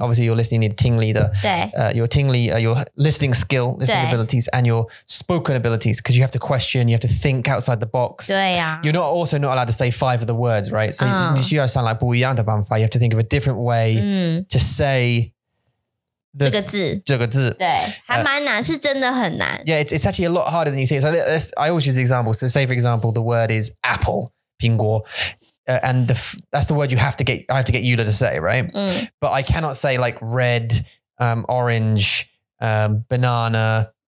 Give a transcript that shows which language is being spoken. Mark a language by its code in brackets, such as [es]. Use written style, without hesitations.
[en] Obviously you're listening to your listening skill, listening abilities and your spoken abilities. Cause you have to question, you have to think outside the box. You're not allowed to say 5 of the words, right? So you sound like [zh] 不一样的办法, [en] you have to think of a different way to say [zh] 这个字。对,还蛮难,是真的很难。 [en] Yeah, it's actually a lot harder than you think. So I always use examples. So say for example, the word is apple. 苹果, and that's the word you have to get. I have to get Yula to say, right? Mm. But I cannot say like red, orange, banana,